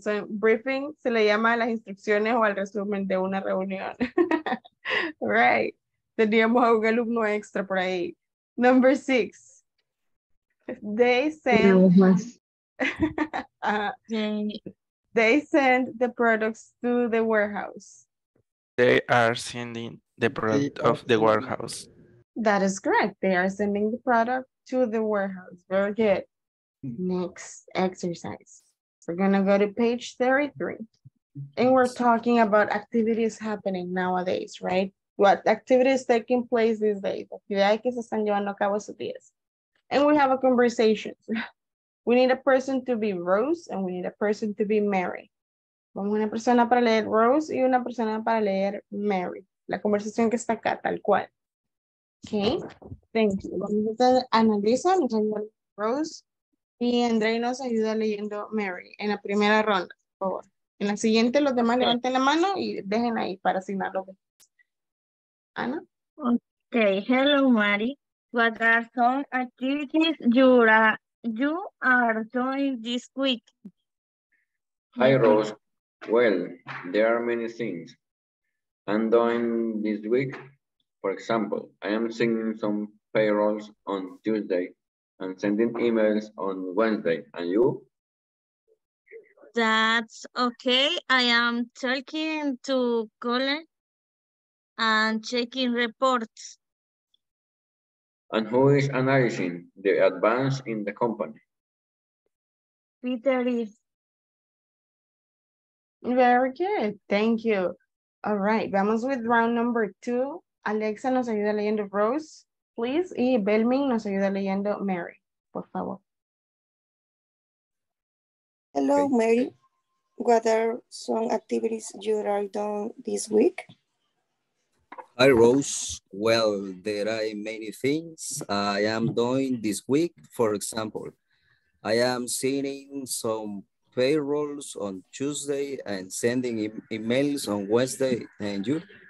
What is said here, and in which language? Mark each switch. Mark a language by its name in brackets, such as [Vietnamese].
[Spanish] So, briefing se le llama a las instrucciones o al resumen de una reunión. Right. Teníamos a un alumno extra por ahí. [English] Number six, they send the products to the warehouse. They are sending the product of the warehouse. That is correct. They are sending the product to the warehouse. Very good. Next exercise. We're going to go to page 33. And we're talking about activities happening nowadays, right? What activity is taking place these days? [Spanish] Actividades que se están llevando a cabo estos días. [English] And we have a conversation. We need a person to be Rose and we need a person to be Mary. [Spanish] Vamos una persona para leer Rose y una persona para leer Mary. La conversación que está acá, tal cual. [English] Okay, thank you. [Spanish] Vamos a analizar, nos ayuda Rose y André nos ayuda leyendo Mary en la primera ronda, por favor. En la siguiente, los demás levanten la mano y dejen ahí para asignar lo que. Ana. [English] Okay, hello, Mary. What are some activities you are doing this week? Hi, Rose. Well, there are many things I'm doing this week. For example, I am sending some payrolls on Tuesday and sending emails on Wednesday. And you? That's okay. I am talking to Colin and checking reports. And who is analyzing the advance in the company? Peter is. Very good, thank you. All right, vamos with round number two. [Spanish] Alexa nos ayuda leyendo Rose, please. Y Belmin nos ayuda leyendo Mary, por favor. [English] Hello, okay. Mary. What are some activities you are doing this week? Hi, Rose. Well, there are many things I am doing this week. For example, I am sending some payrolls on Tuesday and sending emails on Wednesday. And you?